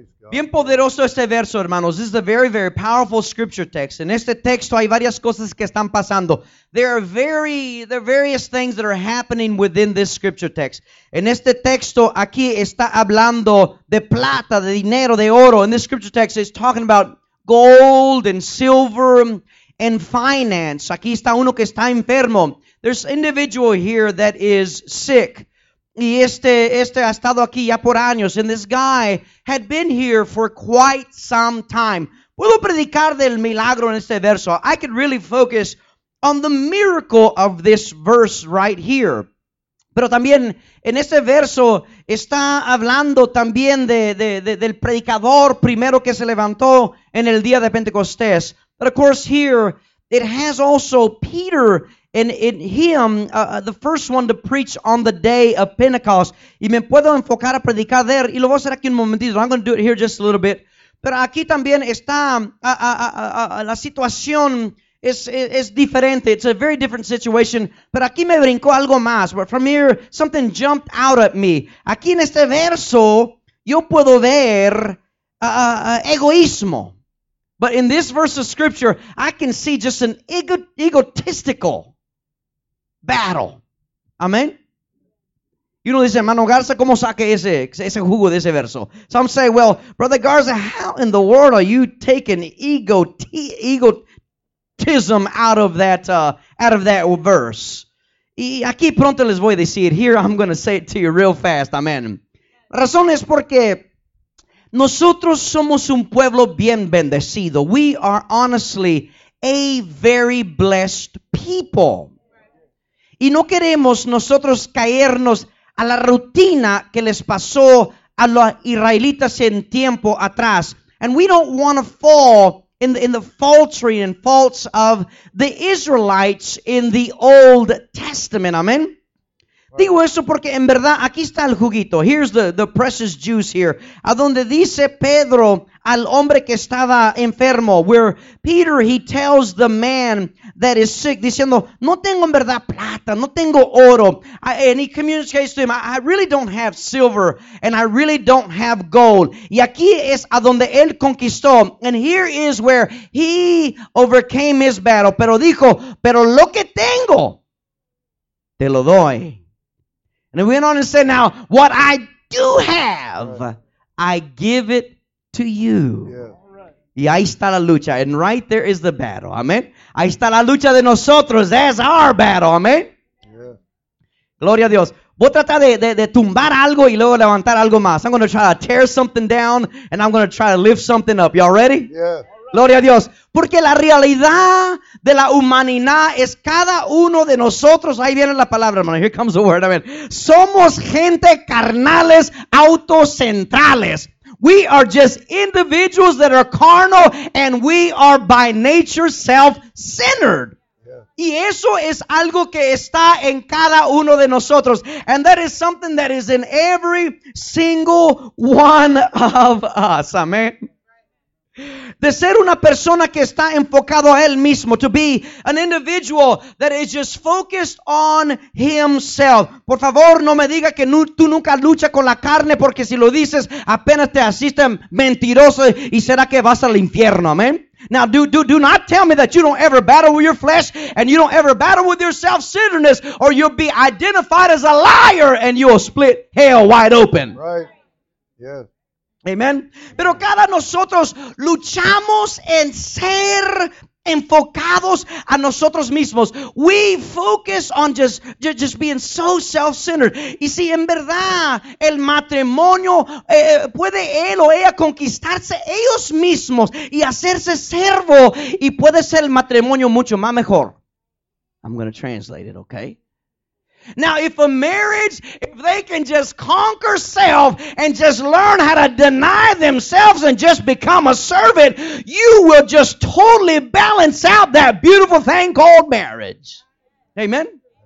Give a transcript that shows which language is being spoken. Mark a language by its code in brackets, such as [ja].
[es] Bien poderoso este verso, hermanos. [en] This is a very, very powerful scripture text. [es] En este texto hay varias cosas que están pasando. [en] There are various things that are happening within this scripture text. [es] En este texto aquí está hablando de plata, de dinero, de oro. [en] In this scripture text, it's talking about gold and silver and finance. [es] Aquí está uno que está enfermo. [en] There's an individual here that is sick. [es] Y este ha estado aquí ya por años. [en] And this guy had been here for quite some time. [es] Puedo predicar del milagro en este verso. [en] I could really focus on the miracle of this verse right here. [es] Pero también en este verso está hablando también del predicador primero que se levantó en el día de Pentecostés. [en] But of course here, it has also Peter and in him, the first one to preach on the day of Pentecost. [es] Y me puedo enfocar a predicar [en] there. [es] Y lo voy a hacer aquí un momentito. [en] I'm going to do it here just a little bit. [es] Pero aquí también está la situación es diferente. [en] It's a very different situation. [es] Pero aquí me brincó algo más. [en] But from here, something jumped out at me. [es] Aquí en este verso, yo puedo ver egoísmo. [en] But in this verse of scripture, I can see just an egotistical battle. Amen. You know, [es] dice, hermano Garza, ¿cómo saque ese jugo de ese verso? [en] Some say, well, brother Garza, how in the world are you taking egotism out of that verse? [es] Y aquí pronto les voy a decir. [en] Here, I'm going to say it to you real fast. Amen. [es] La razón es porque nosotros somos un pueblo bien bendecido. [en] We are honestly a very blessed people. [es] Y no queremos nosotros caernos a la rutina que les pasó a los israelitas en tiempo atrás. [en] And we don't want to fall in the faltering and faults of the Israelites in the Old Testament. Amen. [es] Digo eso porque en verdad aquí está el juguito. [en] Here's the precious juice here. [es] A donde dice Pedro al hombre que estaba enfermo. [en] Where Peter, he tells the man that is sick, [es] diciendo, no tengo en verdad plata, no tengo oro. [en] And he communicates to him, I really don't have silver and I really don't have gold. [es] Y aquí es a donde él conquistó. [en] And here is where he overcame his battle. [es] Pero dijo, pero lo que tengo, te lo doy. [en] And he went on and said, now, what I do have, right, I give it to you. Yeah. Right. [es] Y ahí está la lucha. [en] And right there is the battle. Amen. [es] Ahí está la lucha de nosotros. [en] That's our battle. Amen. Yeah. [es] Gloria a Dios. Voy a tratar de tumbar algo y luego levantar algo más. [en] I'm going to try to tear something down and I'm going to try to lift something up. Y'all ready? Yeah. [es] Gloria a Dios, porque la realidad de la humanidad es cada uno de nosotros, ahí viene la palabra, hermano, [en] here comes the word, amen. [es] Somos gente carnales autocentrales. [en] We are just individuals that are carnal and we are by nature self-centered. [es] Y eso es algo que está en cada uno de nosotros. [en] And that is something that is in every single one of us, amen. [es] De ser una persona que está enfocado a él mismo. [en] To be an individual that is just focused on himself. [es] Por favor, no me diga que tú nunca luchas con la carne, porque si lo dices, apenas te asisten mentiroso y será que vas al infierno, amén. [en] Now, do not tell me that you don't ever battle with your flesh and you don't ever battle with your self-centeredness, or you'll be identified as a liar and you'll split hell wide open. Right, yes. Amen. [es] Pero cada nosotros luchamos en ser enfocados a nosotros mismos. [en] We focus on just being so self-centered. [es] Y si en verdad el matrimonio puede él o ella conquistarse ellos mismos y hacerse servo, y puede ser el matrimonio mucho más mejor. [en] I'm going to translate it, okay? Now, if a marriage, if they can just conquer self and just learn how to deny themselves and just become a servant, you will just totally balance out that beautiful thing called marriage. Amen?